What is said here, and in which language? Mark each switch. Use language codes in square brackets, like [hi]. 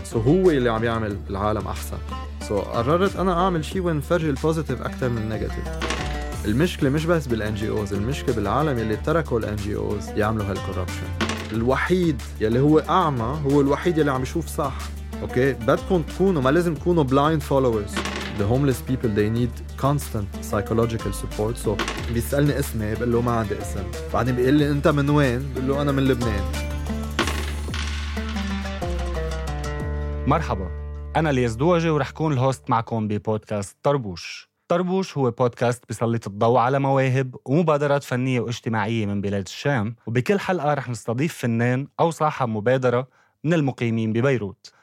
[ar] سو هو اللي عم يعمل العالم أحسن. سو قررت أنا أعمل شيء وين فرجي البوزيتيف أكتر من النيجاتيف. المشكلة مش بس بالNGOs، المشكلة بالعالم يلي تركوا الNGOs يعملوا هالكوربشن. الوحيد يلي هو أعمى هو الوحيد يلي عم يشوف صح. أوكي بدكم تكونوا ما لازم تكونوا [en] blind followers. The homeless people they need constant psychological support. [ar] So بيسألني اسمي بقول له ما عندي اسم. بعدين بيقول لي انت من وين؟ بقول له انا من لبنان. مرحبا انا الياس دواجي ورح كون الهوست معكم ببودكاست طربوش. طربوش هو بودكاست بيسلط الضوء على مواهب ومبادرات فنية واجتماعية من بلاد الشام، وبكل حلقة رح نستضيف فنان او صاحب مبادرة من المقيمين ببيروت.